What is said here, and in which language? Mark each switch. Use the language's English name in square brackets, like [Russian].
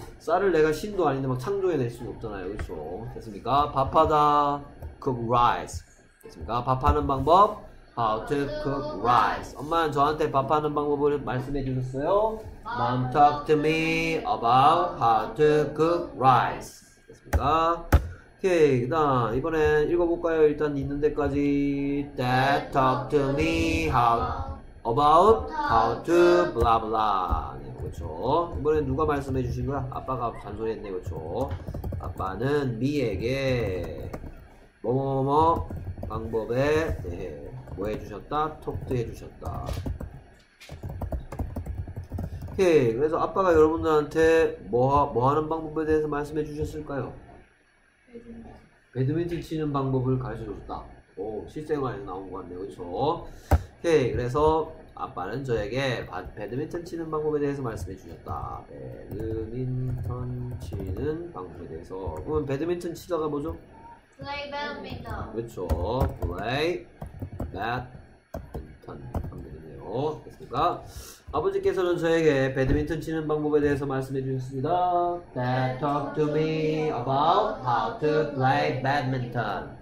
[Korean] 쌀을 내가 신도 아닌데 막 창조해낼 수는 없잖아요. 그렇죠. 됐습니까? 밥하다. [English] Cook rice. [Korean] 됐습니까? 밥하는 방법. [English] How to cook rice. [Korean] 엄마는 저한테 밥하는 방법을 말씀해 주셨어요. [English] Mom, talk to me about how to cook rice. [Korean] 됐습니까? 오케이, 그다음 이번엔 읽어볼까요? 일단 있는 데까지. [English] Dad talk to me about how to blah blah. [Korean] 네, 그렇죠. 이번엔 누가 말씀해 주신 거야? 아빠가 잔소리했네. 그렇죠. 아빠는 미에게 뭐뭐뭐 방법에 대해 뭐 해주셨다? 톡트 해주셨다. 오케이, 그래서 아빠가 여러분들한테 뭐 하는 방법에 대해서 말씀해 주셨을까요? 배드민턴 치는 방법을 가르쳐 줬다. 오, 실생활에서 나온 것 같네요. 그렇죠? 오케이, 그래서 아빠는 저에게 배드민턴 치는 방법에 대해서 말씀해 주셨다. 배드민턴 치는 방법에 대해서. 그러면 배드민턴 치다가 뭐죠? [English] Play badminton. [Korean] 그렇죠. [English] Play badminton [Korean] 하면 되겠네요. 됐습니까? 아버지께서는 저에게 배드민턴 치는 방법에 대해서 말씀해 주셨습니다. [English] Dad talked to me about how to play badminton.